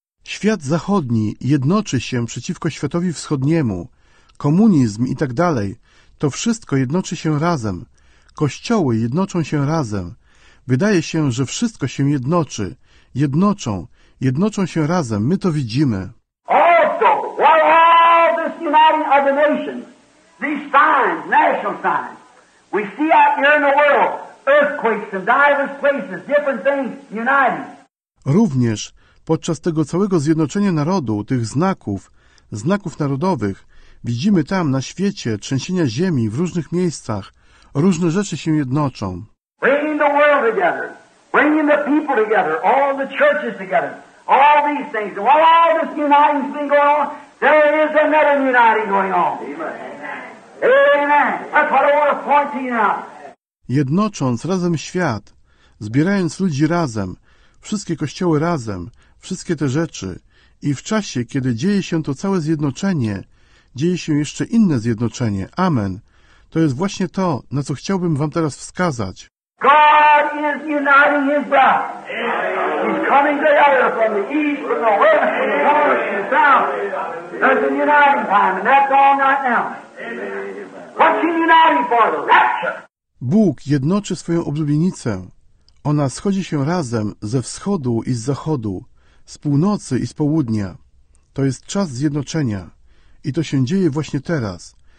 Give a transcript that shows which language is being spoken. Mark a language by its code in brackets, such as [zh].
[pl] Świat zachodni jednoczy się przeciwko światowi wschodniemu. Komunizm i tak dalej. To wszystko jednoczy się razem. Kościoły jednoczą się razem. Wydaje się, że wszystko się jednoczy. Jednoczą się razem. My to widzimy. [en] Also, while all this uniting of the nations, these signs, national signs, we see out here in the world, earthquakes in diverse places, different things uniting. [pl] Również podczas tego całego zjednoczenia narodu, tych znaków narodowych, widzimy tam na świecie trzęsienia ziemi w różnych miejscach. Różne rzeczy się jednoczą. [en] Bringing the world together, bringing the people together, all the churches together, all these things. While all this uniting's been going on, there is another uniting going on. Amen. That's what I want to point to you now. [pl] Jednocząc razem świat, zbierając ludzi razem, wszystkie kościoły razem, wszystkie te rzeczy, i w czasie, kiedy dzieje się to całe zjednoczenie, dzieje się jeszcze inne zjednoczenie. Amen. To jest właśnie to, na co chciałbym wam teraz wskazać. [en] God is uniting his bride. He's coming together from the east, from the west, from the north, from the south. There's an uniting time, and that's all right now. What's he uniting for? The rapture. [pl] Bóg jednoczy swoją oblubienicę. Ona schodzi się razem ze wschodu i z zachodu, z północy i z południa. To jest czas zjednoczenia. I to się dzieje właśnie teraz.